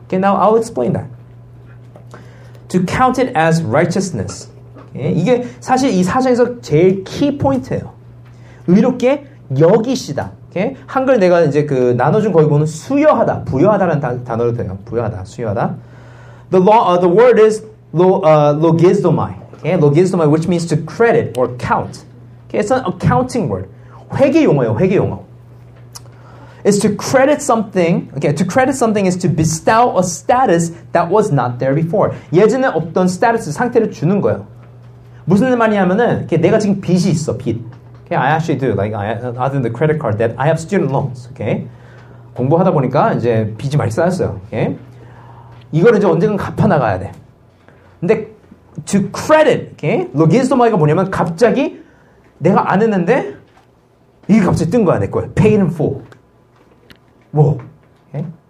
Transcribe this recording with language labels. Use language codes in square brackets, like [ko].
[en] Okay, now I'll explain that. To count it as righteousness. [ko] Okay, 이게 사실 이 사정에서 제일 key point예요. 의롭게 여기시다. Okay, 한글 내가 이제 그 나눠준 거기 보면 수여하다, 부여하다라는 단어로 돼요. 부여하다, 수여하다. [en] The word is logizomai. Okay, logizomai, which means to credit or count. Okay, it's an accounting word. [ko] 회계 용어예요, 회계 용어. [en] Is to credit something, okay, to credit something is to bestow a status that was not there before. [ko] 예전에 없던 status, 상태를 주는 거예요. 무슨 말이냐면은, okay, 내가 지금 빚이 있어, 빚. [en] Okay, I actually do, like, other than the credit card debt, I have student loans, okay? [ko] 공부하다 보니까 이제 빚이 많이 쌓였어요, okay? 이걸 이제 언젠가 갚아나가야 돼. [en] 근데, to credit, okay? [ko] 로기스토마이가 뭐냐면, 갑자기 내가 안 했는데, 이게 갑자기 뜬 거야, 내 거야. [en] Paid in full. 뭐, okay?